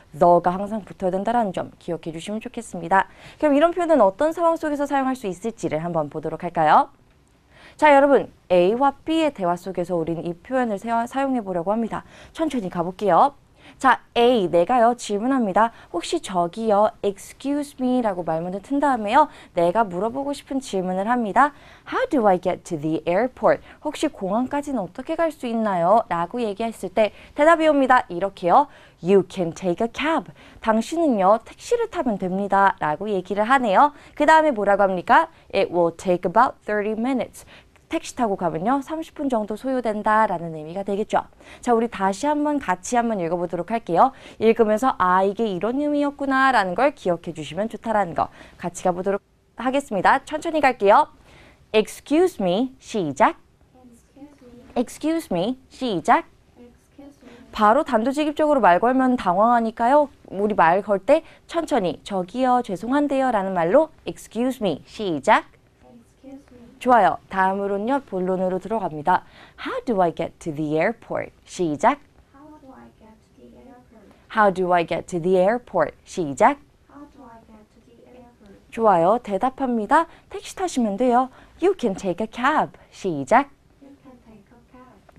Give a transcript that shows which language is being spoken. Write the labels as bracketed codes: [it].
[ko] 너가 항상 붙어야 된다는 점 기억해 주시면 좋겠습니다. 그럼 이런 표현은 어떤 상황 속에서 사용할 수 있을지를 한번 보도록 할까요? 자, 여러분 A와 B의 대화 속에서 우린 이 표현을 사용해 보려고 합니다. 천천히 가볼게요. 자, A, 내가요, 질문합니다. 혹시 저기요, [en] excuse me [ko] 라고 말문을 튼 다음에요, 내가 물어보고 싶은 질문을 합니다. [en] How do I get to the airport? [ko] 혹시 공항까지는 어떻게 갈 수 있나요? 라고 얘기했을 때 대답이 옵니다. 이렇게요, [en] you can take a cab. [ko] 당신은요, 택시를 타면 됩니다. 라고 얘기를 하네요. 그 다음에 뭐라고 합니까? [en] It will take about 30 minutes. [ko] 택시 타고 가면요, 30분 정도 소요된다 라는 의미가 되겠죠. 자, 우리 다시 한번 같이 한번 읽어보도록 할게요. 읽으면서 아, 이게 이런 의미였구나 라는 걸 기억해 주시면 좋다라는 거 같이 가보도록 하겠습니다. 천천히 갈게요. [en] Excuse me, 시작. Excuse me, [ko] 시작. 바로 단도직입적으로 말 걸면 당황하니까요. 우리 말 걸 때 천천히 저기요, 죄송한데요 라는 말로 [en] Excuse me, [ko] 시작. 좋아요. 다음으로는요, 본론으로 들어갑니다. [en] How do I get to the airport? [ko] 시작. [en] How do I get to the airport? How do I get to the airport? [ko] 시작. [en] How do I get to the airport? [ko] 좋아요. 대답합니다. 택시 타시면 돼요. [en] You can take a cab. [ko] 시작. [en] You can take a cab.